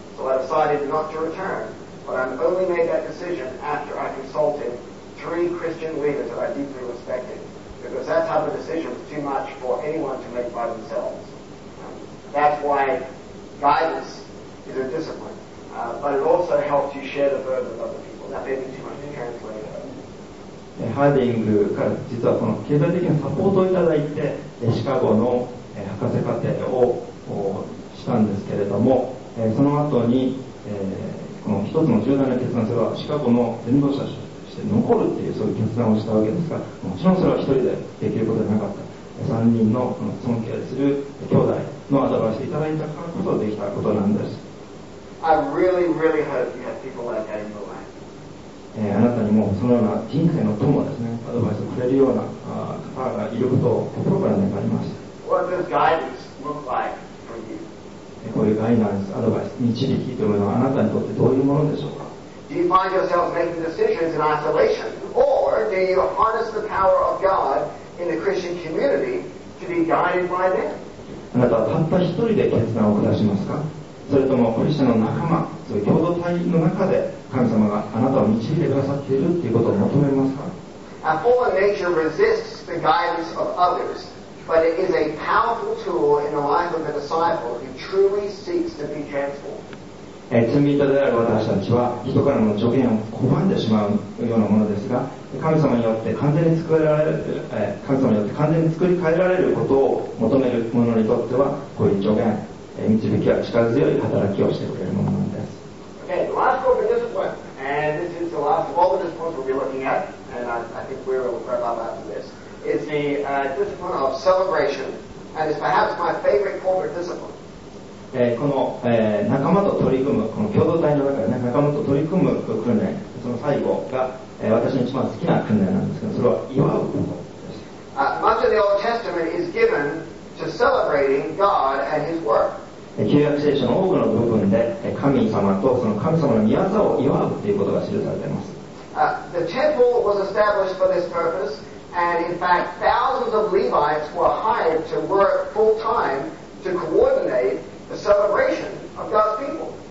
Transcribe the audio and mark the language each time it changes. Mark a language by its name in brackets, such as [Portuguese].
[English] So I decided not to return, but I only made that decision after I consulted three Christian leaders that I deeply respected, because that type of decision was too much for anyone to make by themselves. That's why guidance is a discipline, but it also helps you share the burden with other people. That may be too much to translate. [Japanese] ハーディングから実はこの経済的なサポートをいただいてシカゴの博士課程をしたんですけれども、その後にこの一つの重大な決断、それはシカゴの伝道者として残るっていう、そういう決断をしたわけですが、もちろんそれは一人でできることではなかった。 3人の尊敬する兄弟のアドバイスをいただいたからこそできたことなんです。 [English] I really really hope you have people like that in your life [Japanese] あなたにもそのような人生の友ですね、アドバイスをくれるような方がいることを心から願います。 [English] What does guidance look like for you? [Japanese] こういうガイダンス、アドバイス、導きというのはあなたにとってどういうものでしょうか。 [English] Do you find yourself making decisions in isolation, or do you harness the power of God in the Christian community to be guided by them? [Japanese] あなたはたった一人で決断を下しますか、それともクリスチャンの仲間、そういう共同体の中で神様があなたを導いてくださっているということを求めますか。 [English] Our fallen nature resists the guidance of others, but it is a powerful tool in the life of a disciple who truly seeks to be transformed. [Japanese] 罪人である私たちは人からの助言を拒んでしまうようなものですが、神様によって完全に作られる、神様によって完全に作り変えられることを求める者にとっては、こういう助言、導きは力強い働きをしてくれるものなんです。 [English] Okay, the last corporate discipline, and this is the last of all the disciplines we'll be looking at, and I think we're going to wrap up after this, is the discipline of celebration, and it's perhaps my favorite corporate discipline. [Japanese] この、仲間と取り組む、この共同体の中で、ね、仲間と取り組む訓練、その最後が、私の一番好きな訓練なんですけど、それは祝うことです。 [English] Much of the Old Testament is givenTo celebrating God and His work. [Japanese] 旧約聖書の多くの部分で神様とその神様の御業を祝うということが記されています。 [English] The temple was established for this purpose, and in fact, thousands of Levites were hired to work full time to coordinate the celebration of God's people.